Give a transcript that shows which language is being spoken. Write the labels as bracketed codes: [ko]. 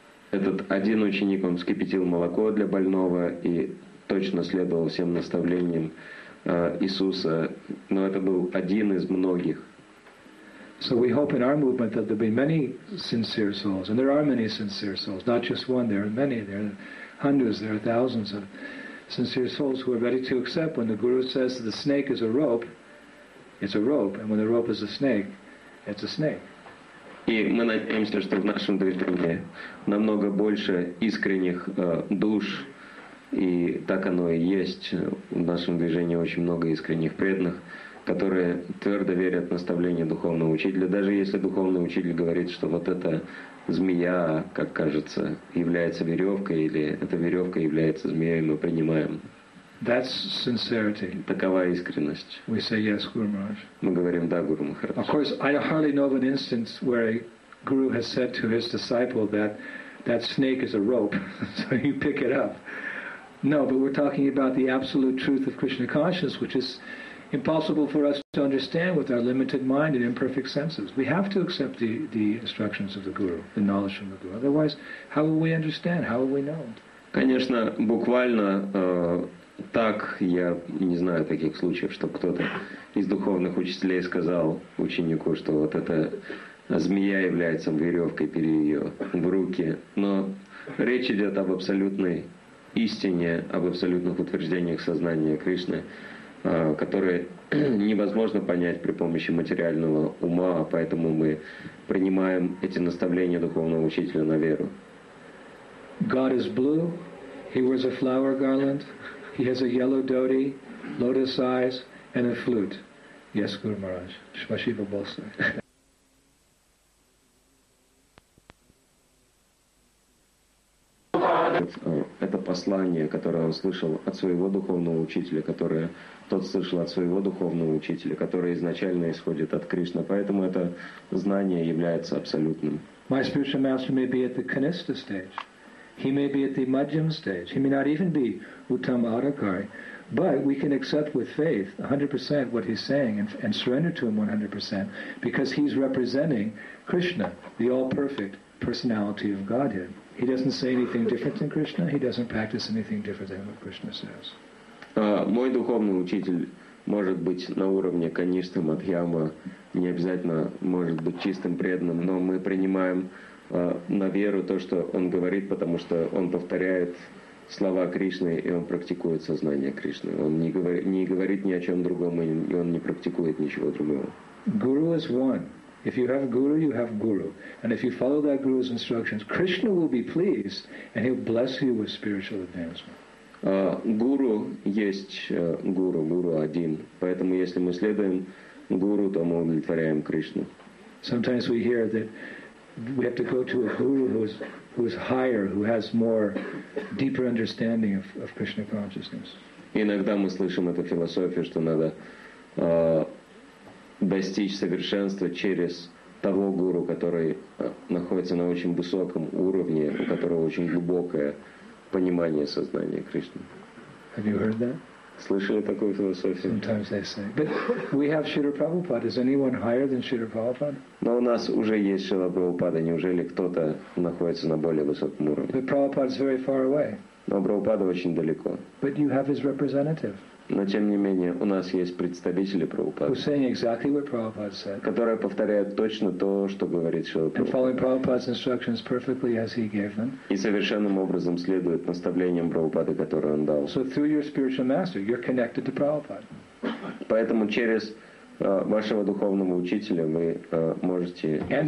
[ru] Этот один ученик, он вскипятил молоко для больного и точно следовал всем наставлениям Иисуса. Но это был один из многих. [en] So we hope in our movement that there'll be many sincere souls. And there are many sincere souls. Not just one, there are many. There are hundreds, there are thousands of sincere souls who are ready to accept when the Guru says the snake is a rope, it's a rope. And when the rope is a snake, it's a snake. [ru] И мы надеемся, что в нашем движении намного больше искренних душ, и так оно и есть. В нашем движении очень много искренних преданных, которые твердо верят в наставление духовного учителя. Даже если духовный учитель говорит, что вот эта змея, как кажется, является веревкой, или эта веревка является змеей, мы принимаем. [en] That's sincerity. [ru] Такова искренность. [en] We say yes, Guru Maharaj. [ru] Мы говорим да, Гуру Махарадж. [en] Of course, I hardly know of an instance where a guru has said to his disciple that snake is a rope, so you pick it up. No, but we're talking about the absolute truth of Krishna consciousness, which is impossible for us to understand with our limited mind and imperfect senses. We have to accept the instructions of the guru, the knowledge from the guru. Otherwise, how will we understand? How will we know? [ru] Конечно, буквально. Так, я не знаю таких случаев, что кто-то из духовных учителей сказал ученику, что вот эта змея является веревкой, бери ее в руки. Но речь идет об абсолютной истине, об абсолютных утверждениях сознания Кришны, которые невозможно понять при помощи материального ума, поэтому мы принимаем эти наставления духовного учителя на веру. [en] God is blue, he wears a flower garland. He has a yellow dhoti, lotus eyes, and a flute. Yes, Guru Maharaj. Shvashiva Bosa. [ru] Это послание, которое он слышал от своего духовного учителя, которое тот слышал от своего духовного учителя, которое изначально исходит от Кришны. Поэтому это знание является абсолютным. [en] My spiritual master may be at the Kanista stage. He may be at the Madhyam stage. He may not even be Uttam Arakari. But we can accept with faith 100% what he's saying and surrender to him 100% because he's representing Krishna, the all-perfect personality of Godhead. He doesn't say anything different than Krishna. He doesn't practice anything different than what Krishna says. [ru] Мой духовный учитель может быть на уровне Каништы, Мадхьямы, не обязательно может быть чистым преданным, но мы принимаем на веру то, что он говорит, потому что он повторяет слова Кришны, и он практикует сознание Кришны. Он не говорит ни о чем другом, и он не практикует ничего другого. [en] Guru is one. If you have guru, you have guru. And if you follow that guru's instructions, Krishna will be pleased, and he'll bless you with spiritual advancement. [ru] Гуру есть гуру, гуру один. Поэтому если мы следуем гуру, то мы удовлетворяем Кришну. [en] Sometimes we hear that we have to go to a guru who's higher, who has more deeper understanding of Krishna consciousness. [ru] Иногда мы слышим эту философию, что надо достичь совершенства через того гуру, который находится на очень высоком уровне, у которого очень глубокое понимание сознания Кришны. [en] Have you heard that? [ru] Слышали такую философию? [en] Sometimes they say. But we have Śrīla Prabhupāda. Is anyone higher than Śrīla Prabhupāda? [ru] Но у нас уже есть Śrīla Prabhupāda. Неужели кто-то находится на более высоком уровне? [en] But Prabhupāda is very far away. [ru] Но Прабхупада очень далеко. [en] But you have his representative. [ru] Но тем не менее, у нас есть представители Прабхупады, [en] who's saying exactly what Prabhupada said, [ru] которые повторяют точно то, что говорит Śrīla Prabhupāda. [en] And following Prabhupada's instructions perfectly as he gave them. [ru] И совершенным образом следует наставлениям Прабхупады, которые он дал. [en] So through your spiritual master, you're connected to Prabhupada. [ru] Поэтому через вашего духовного учителя вы можете